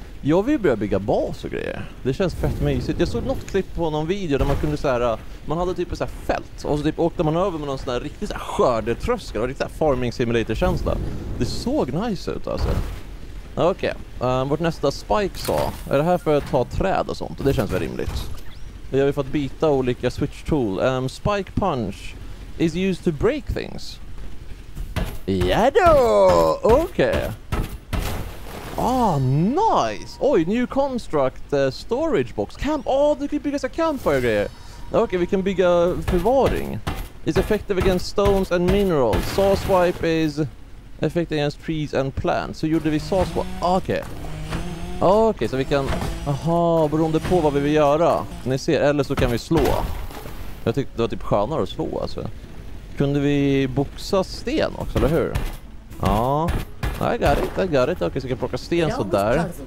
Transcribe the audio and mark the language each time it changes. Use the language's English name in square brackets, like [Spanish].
[Swedish] Jag vill börja bygga bas och grejer. Det känns fett mysigt. Jag såg något klipp på någon video där man kunde så här... Man hade typ ett så här fält. Och så typ åkte man över med någon sån här riktig så här skördetröska. Och riktigt så här farming simulator-känsla. Det såg nice ut alltså. Okej. Okay. Vårt nästa spike sa. Är det här för att ta träd och sånt? Det känns väl rimligt. Det har vi fått byta olika switch tool. [English] Spike punch is used to break things. [Swedish] Jadå! Okej. Okay. Ah, oh, nice! Oj, [English] new construct storage box. [Swedish] Camp, åh, oh, du kan bygga så campfire-grejer. Okej, okay, vi kan bygga förvaring. [English] It's effective against stones and minerals. Saw swipe is effective against trees and plants. [Swedish] Så gjorde vi saw swipe. Okej. Okay. Okej, okay, så vi kan... Aha, beroende på vad vi vill göra. Ni ser, eller så kan vi slå. Jag tyckte det var typ skönare att slå, alltså. Kunde vi boxa sten också, eller hur? Ja... Ah. [English] I got it, I got it. [Swedish] Okej, så kan vi plocka sten så där.